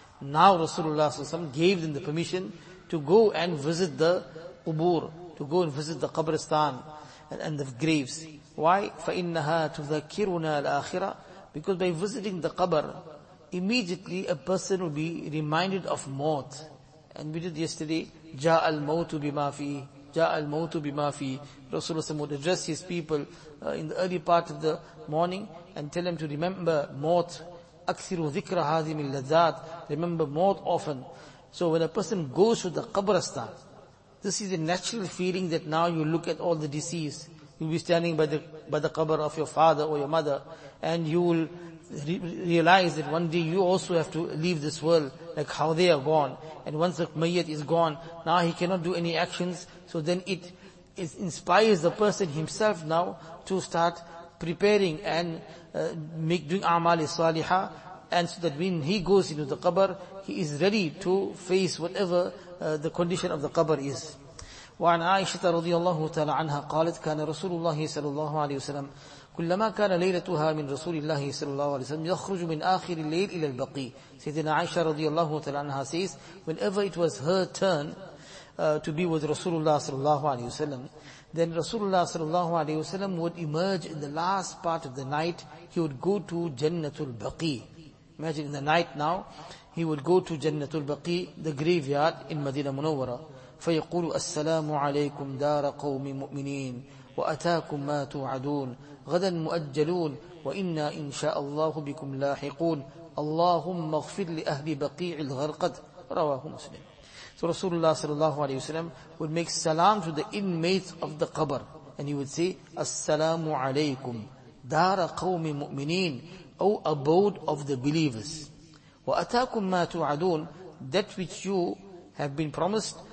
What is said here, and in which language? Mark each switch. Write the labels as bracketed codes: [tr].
[en] Now Rasulullah gave them the permission to go and visit the qubur, to go and visit the qabristan and the graves. [ar] Why? فَإِنَّهَا تُذَكِّرُنَا الْآخِرَةِ. [en] Because by visiting the qabr, immediately a person will be reminded of maut. [ar] And we did yesterday, جَاءَ الْمَوْتُ بِمَا فِيهِ جَاءَ الْمَوْتُ بِمَا فِيهِ. [en] Rasulullah would address his people in the early part of the morning and tell them to remember maut. [ar] أَكْثِرُ ذِكْرَ هَذِي مِنْ لَذَّاتِ. Remember maut often. [en] So when a person goes to the qabrastan, this is a natural feeling that now you look at all the deceased. You'll be standing by the qabr of your father or your mother, and you will realize that one day you also have to leave this world, like how they are gone. And once the mayyat is gone, now he cannot do any actions. So then it inspires the person himself now to start preparing and doing amal-e-salihah. And so that when he goes into the qabr, he is ready to face whatever the condition of the qabr is. [ar] وعن عائشة رضي الله تعالى عنها قالت كان رسول الله صلى الله عليه وسلم كلما كان ليلتها من رسول الله صلى الله عليه وسلم يخرج من آخر الليل إلى البقي. [en] سيدنا عائشة رضي الله تعالى عنها says whenever it was her turn to be with Rasulullah صلى الله عليه وسلم, then Rasulullah صلى الله عليه وسلم would emerge in the last part of the night. He would go to Jannatul Baqi. Imagine in the night now he would go to Jannatul Baqi, the graveyard in Madinah Munawwara. [ar] فيقول السلام عليكم دار قوم مؤمنين وأتاكم ما توعدون غدا مؤجلون وإنا إن شاء الله بكم لاحقون اللهم اغفر لأهل بقيع الغرقد رواه مسلم. [en] So Rasulullah sallallahu alayhi wasallam would make salam to the inmates of the qabr, and he would say السلام عليكم دار قوم مؤمنين, O abode of the believers. وأتاكم ما توعدون, that which you have been promised.